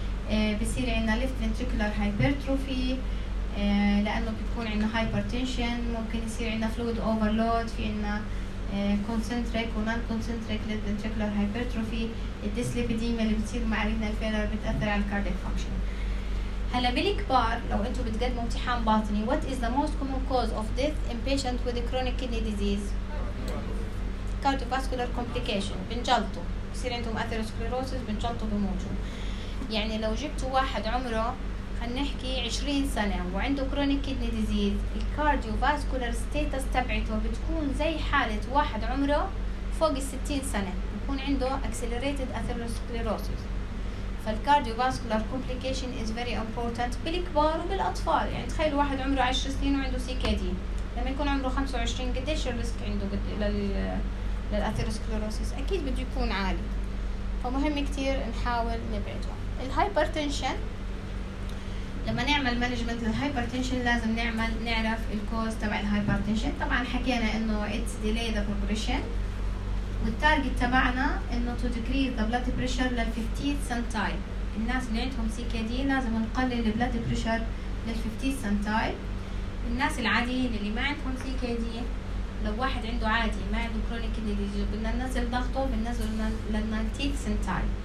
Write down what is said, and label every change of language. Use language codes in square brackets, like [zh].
[ar] بصير عندنا [en] left ventricular hypertrophy [ar] لأنه بيكون عندنا hypertension, ممكن يصير عندنا [en] fluid overload, [ar] في عندنا concentric و non-concentric left ventricular hypertrophy, dyslipidemia اللي بتصير مع renal failure بتأثر على cardiac function. هلا بالكبار لو انتم بتقدموا امتحان باطني, [en] what is the most common cause of death in patients with chronic kidney disease? Cardiovascular complication, [ar] بنجلطوا, بصير عندهم atherosclerosis, بنجلطوا بموتوا. يعني لو جبتوا واحد عمره هنحكي 20 سنة وعنده chronic kidney disease, cardiovascular status تبعته بتكون زي حالة واحد عمره فوق 60 سنة, بيكون عنده [en] accelerated atherosclerosis. [ar] فالcardiovascular complication [en] is very important [ar] بالكبار وبالأطفال. يعني تخيل واحد عمره 10 سنين وعنده CKD, لما يكون عمره 25 قديش الريسك عنده للatherosclerosis؟ أكيد بده يكون عالي. فمهم كتير نحاول نبعده. الهايبرتنشن لما نعمل مانجمنت للهايبرتنشن لازم نعمل نعرف الكوز تبع الهايبرتنشن. طبعا حكينا انه [en] it's delay the progression, [ar] والتارجت تبعنا انه [en] to decrease the blood pressure لل 50th centile. [ar] الناس اللي عندهم CKD لازم نقلل [en] blood pressure [ar] لل 50th centile. الناس العاديين اللي ما عندهم CKD, لو واحد عنده عادي ما عنده كرونيك كدني ديزيز بدنا ننزل ضغطه, بننزل لل 90th centile.